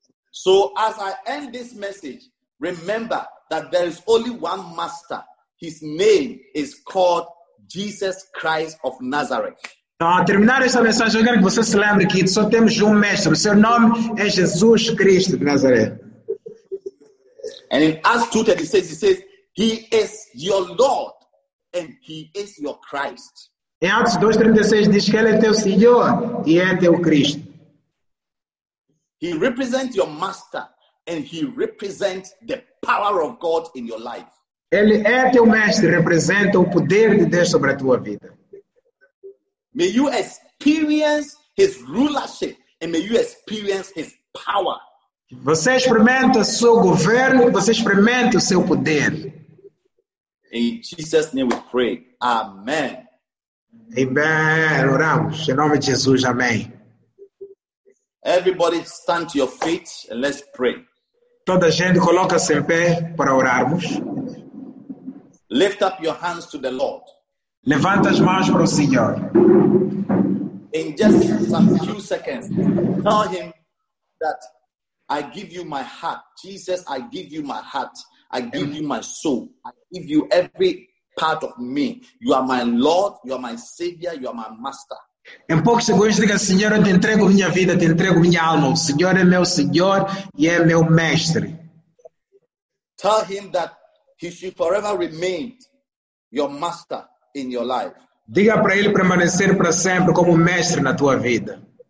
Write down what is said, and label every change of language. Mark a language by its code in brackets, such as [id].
[en] So as I end this message, remember that there is only one master. His name is called Jesus Christ of Nazareth. [pt] Então, a terminar esta mensagem, eu quero que você se lembre que só temos um mestre. O seu nome é Jesus Cristo de Nazaré. [en] And in Acts 2:36, he says, he is your Lord and he is your Christ. [pt] Em Atos 2:36, diz que ele é teu Senhor e é teu Cristo. [en] He represents your master and he represents the power of God in your life. [pt] Ele é teu mestre, representa o poder de Deus sobre a tua vida. [en] May you experience his rulership and may you experience his power. [pt] Você experimenta o seu governo, você experimenta o seu poder. [en] In Jesus' name we pray. Amen. [pt] Amen. Oramos. Em nome de Jesus, amém. [en] Everybody stand to your feet and let's pray. [pt] Toda gente coloca-se em pé para orarmos. [en] Lift up your hands to the Lord. [pt] Levanta as mãos para o Senhor. [en] In just some few seconds, tell him that I give you my heart. Jesus, I give you my heart. I give you my soul. I give you every part of me. You are my Lord. You are my Savior. You are my Master. [pt] Em poucos segundos, diga, Senhor, eu te entrego minha vida, te entrego minha alma. O Senhor é meu Senhor e é meu Mestre. [en] Tell him that he should forever remain your master in your life. [pt] Diga para ele permanecer para sempre como mestre na tua vida.